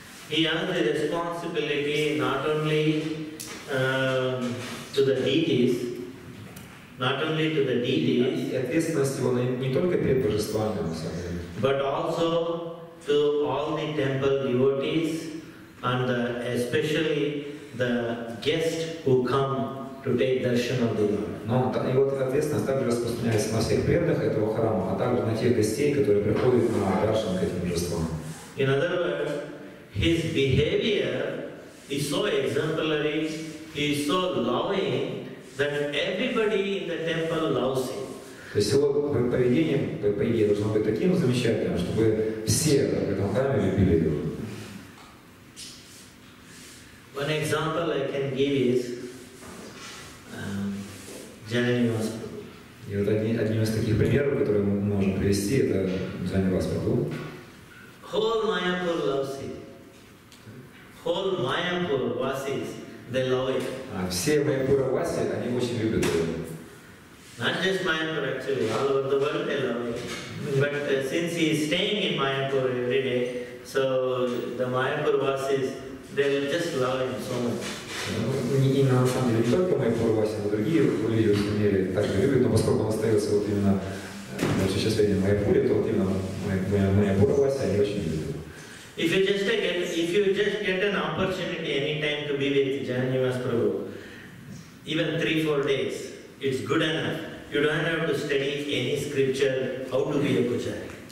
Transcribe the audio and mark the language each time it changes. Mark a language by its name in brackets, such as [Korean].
[English] He has the responsibility not only to the deities, not only to the deities, [Russian] ответственность его не только перед божествами, [English] but also to all the temple devotees and especially the guests who come to take darshan of the Lord. [Russian] Но и вот ответственность также распространяется на всех преданных этого храма, а также на тех гостей, которые приходят на даршан к этим божествам. [English] In other words, his behavior is so exemplary, he is so loving that everybody in the temple loves him. [Russian] То есть его поведение, по идее, должно быть таким замечательным, чтобы все в этом храме любили его. [English] One example I can give is Janivasa. [Russian] И вот одним из таких примеров, которые мы можем привести, это Janivasa Prabhu. [English] Whole Mayapur loves him. Whole Mayapur Vasis, they love him. [Russian] А все Mayapura Vasi, они очень любят его. [English] Not just Mayapur actually, all over the world they love him. But since he is staying in Mayapur every day, so the Mayapur Vasis, they will just love him so much. [Russian] И на самом деле не только Mayapur Vasi, но другие люди в мире также любят, но поскольку он остается вот именно вот сейчас видим Майяпури, то вот именно Майяпура Вася, они очень любят. [English] If you just get, if you just get an opportunity any time to be with Jahanivas Prabhu, even 3-4 days, it's good enough. You don't have to study any scripture, how to be a Pujari.